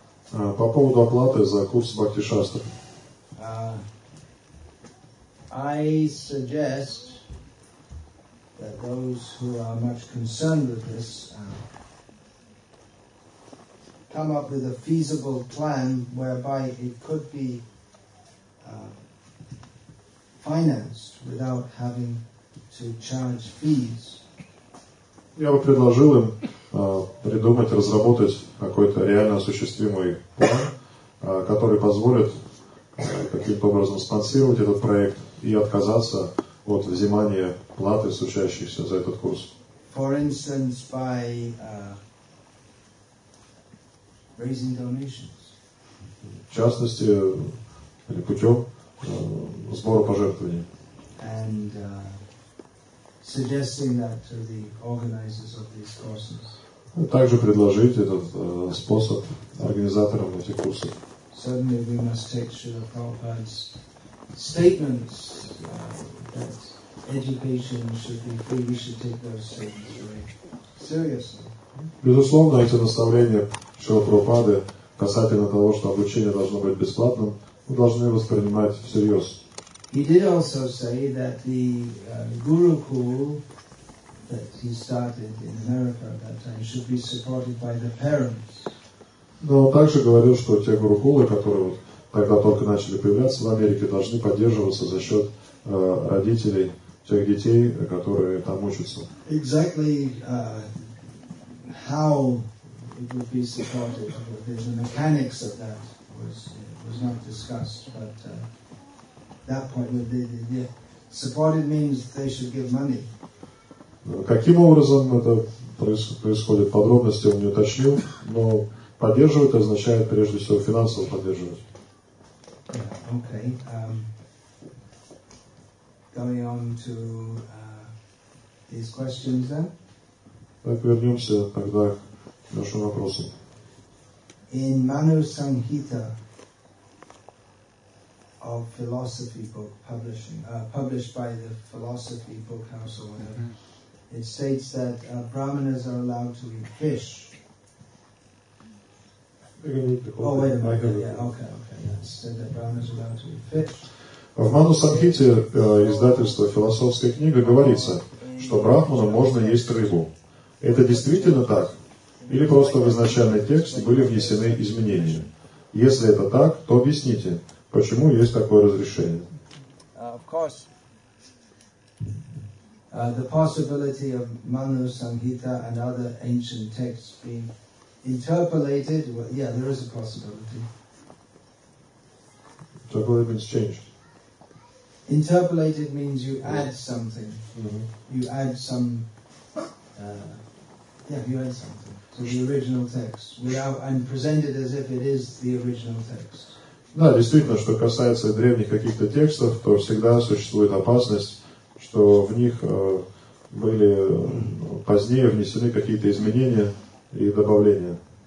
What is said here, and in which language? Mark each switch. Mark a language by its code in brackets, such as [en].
[ru] По поводу оплаты за курс Бхакти Шастры. [en] I suggest that those who are much concerned with this come up with a feasible plan whereby it could be financed without having to charge fees. [ru] Я бы предложил им придумать, разработать какой-то реально осуществимый план, который позволит каким-то образом спонсировать этот проект и отказаться от взимания платы с учащихся за этот курс. [en] For instance, by raising donations. [ru] В частности, или путем сбора пожертвований. [en] And, suggesting that to the organizers of these courses. [ru] Также предложить этот способ организаторам этих курсов. [en] Certainly we must take Srila Prabhupada's statements that education should be free. We should take those statements very seriously. [ru] Безусловно, эти наставления Шрила Прабхупады касательно того, что обучение должно быть бесплатным, мы должны воспринимать всерьез. [en] He did also say that the Gurukul that he started in America at that time should be supported by the parents. [ru] Но он также говорил, что те гурукулы, которые вот тогда только начали появляться в Америке, должны поддерживаться за счет родителей тех детей, которые там учатся. [en] Exactly how it would be supported, the mechanics of that was not discussed, but that point that they supported means they should give money. [ru] Каким образом это происходит? Подробности он не уточнил, но поддерживать означает прежде всего финансово поддерживать. [en] Okay. Going on to these questions then. [ru] Так вернемся тогда к нашим вопросам. [en] In Manu Samhita of philosophy book publishing, published by the philosophy book house or whatever, it states that brahmanas are allowed to eat fish. Oh, wait a minute. Said that brahmanas are allowed to eat fish. [ru] В Ману Самхите издательства «Философская книга» говорится, что брахманам можно есть рыбу. Это действительно так? Или просто в изначальный текст были внесены изменения? Если это так, то объясните, почему есть такое разрешение. [en] Of course. The possibility of Manu Samhita and other ancient texts being interpolated, well, yeah, there is a possibility. Interpolated change. Interpolated means you add something. Mm-hmm. You add some, you add something to the original text without and present it as if it is the original text. [ru] Да, действительно, что касается древних каких-то текстов, то всегда существует опасность, что в них были позднее внесены какие-то изменения и добавления.